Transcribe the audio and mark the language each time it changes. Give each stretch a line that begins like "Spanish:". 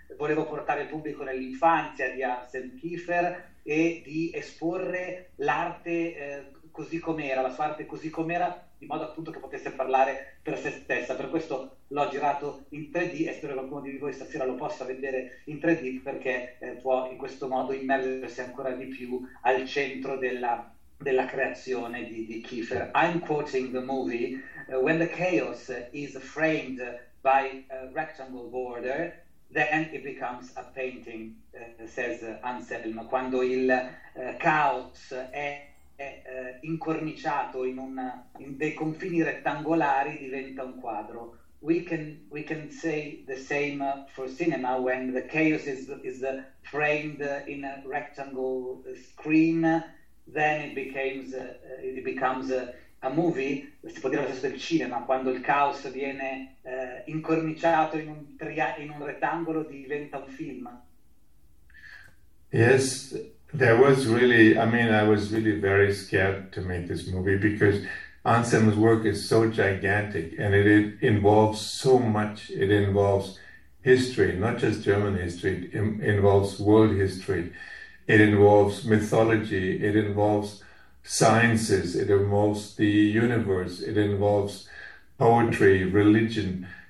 Italian: Volevo portare il pubblico nell'infanzia di Anselm Kiefer e di esporre l'arte così com'era, la sua arte così com'era, in modo appunto che potesse parlare per se stessa. Per questo l'ho girato in 3D e spero che qualcuno di voi stasera lo possa vedere in 3D, perché può in questo modo immergersi ancora di più al centro della creazione di Kiefer.
English: I'm quoting the movie: when the chaos is framed by a rectangle border, then it becomes a painting, says Anselm.
Italian: Quando il caos è incorniciato in dei confini rettangolari, diventa un quadro.
English: We can say the same for cinema: when the chaos is framed in a rectangle screen, then it becomes a movie.
Italian: Si può dire lo stesso del cinema: quando il caos viene incorniciato in un rettangolo, diventa un film.
English: Yes. There was really, I was really very scared to make this movie, because Anselm's work is so gigantic and it involves so much. It involves history, not just German history, it involves world history, it involves mythology, it involves sciences, it involves the universe, it involves poetry, religion.